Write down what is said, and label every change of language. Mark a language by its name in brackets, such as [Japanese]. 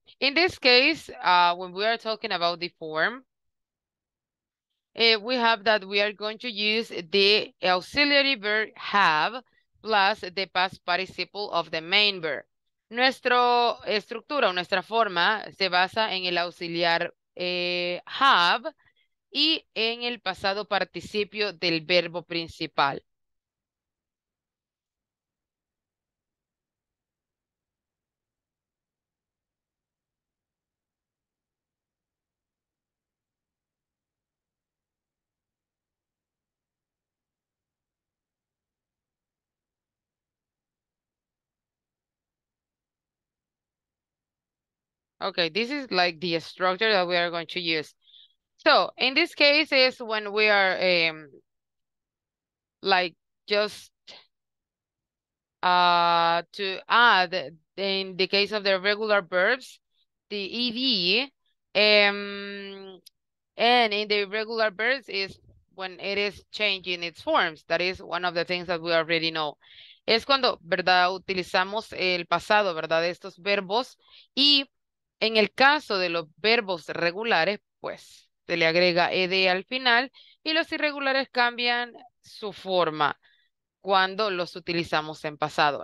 [English] In this case, when we are talking about the form, we have that we are going to use the auxiliary verb have plus the past participle of the main verb. [Spanish] Nuestra estructura, nuestra forma, se basa en el auxiliar have y en el pasado participio del verbo principal. [English] Okay, this is like the structure that we are going to use. So in this case is when we are like just to add in the case of the regular verbs, the ed, and in the irregular verbs is when it is changing its forms. That is one of the things that we already know. [Spanish] Es cuando, verdad, utilizamos el pasado, verdad, de estos verbos y en el caso de los verbos regulares, pues se le agrega ed al final y los irregulares cambian su forma cuando los utilizamos en pasado.